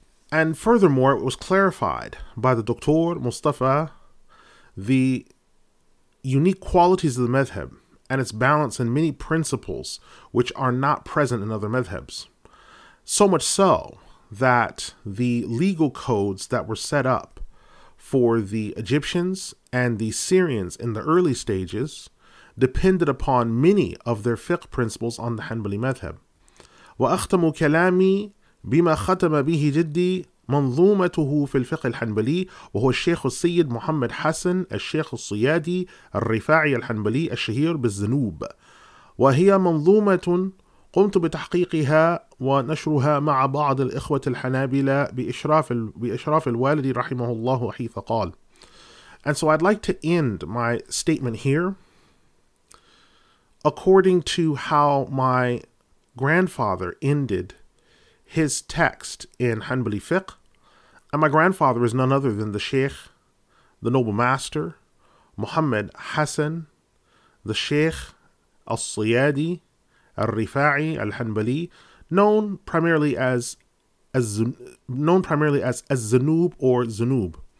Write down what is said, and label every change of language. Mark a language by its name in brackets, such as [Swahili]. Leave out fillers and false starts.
[English] And furthermore, it was clarified by the Doctor Mustafa the unique qualities of the madhab and its balance in many principles which are not present in other madhabs. So much so that the legal codes that were set up for the Egyptians and the Syrians in the early stages depended upon many of their fiqh principles on the Hanbali madhab. [Arabic] وَأَخْتَمُ كَلَامِي بِمَا خَتَمَ بِهِ جِدِّي مَنْظُومَتُهُ فِي الْفِقْهِ الْحَنْبَلِي وَهُوَ الشَّيْخُ السَّيِّدُ مُحَمَّدْ حَسَنْ الشَّيْخُ الصِّيَادِي الرِّفَاعِي الْحَنْبَلِي الشَّهِيرُ بِالزُّنُوبِ وَهِيَ مَنْظُومَةٌ قمت بتحقيقها ونشرها مع بعض الإخوة الحنابلة بإشراف الوالدي رحمه الله حيث قال. [English] And so I'd like to end my statement here. According to how my grandfather ended his text in Hanbali fiqh, and my grandfather is none other than the Sheikh, the noble master, Muhammad Hassan, the Sheikh al-Siyadi, Al-Rifa'i Al-Hanbali, known primarily as Zanub or Zanub.